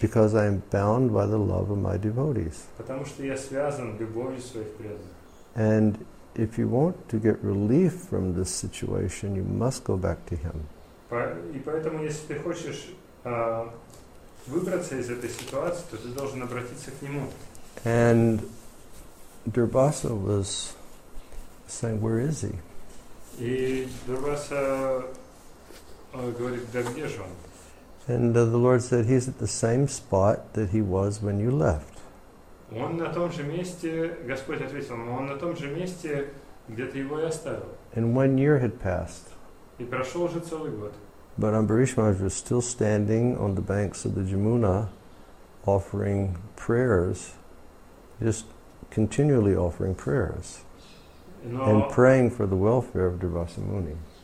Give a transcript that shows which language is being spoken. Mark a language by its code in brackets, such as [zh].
[en] Because I am bound by the love of my devotees. [ru] Потому что я связан любовью своих преданных. [en] And if you want to get relief from this situation, you must go back to him. [ru] И поэтому, если ты хочешь выбраться из этой ситуации, то ты должен обратиться к нему. [en] And Durvasa was saying, where is he? [ru] И Дурваса говорит, да где же он? [en] And the Lord said, he's at the same spot that he was when you left. [ru] Он на том же месте, Господь ответил ему, он на том же месте, где ты его и оставил. [en] And 1 year had passed. [ru] И прошел уже целый год. [en] But Ambarish Maharaj was still standing on the banks of the Jamuna, offering prayers, just continually offering prayers, and praying for the welfare of Durvasa Muni.